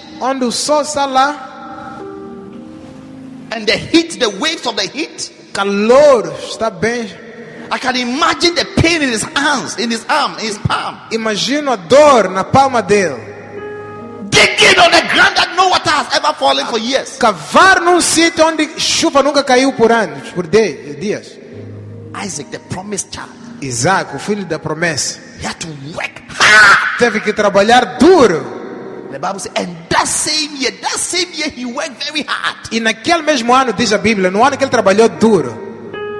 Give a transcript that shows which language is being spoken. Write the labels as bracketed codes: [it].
[pt] Onde o sol está lá. [en] And the heat, the waves of the heat. [pt] Calor está bem. [en] I can imagine the pain in his hands, in his arm, in his palm. [pt] Imagino a dor na palma dele. [en] Digging on the ground that no water has ever fallen for years. [pt] Cavar num sítio onde chuva nunca caiu por anos, por dias. [en] Isaac, the promised child. [pt] Isaac, o filho da promessa. [en] He had to work hard. [pt] Teve que trabalhar duro. [en] The Bible says, and that same year, he worked very hard. [pt] E naquele mesmo ano, diz a Bíblia, no ano que ele trabalhou duro.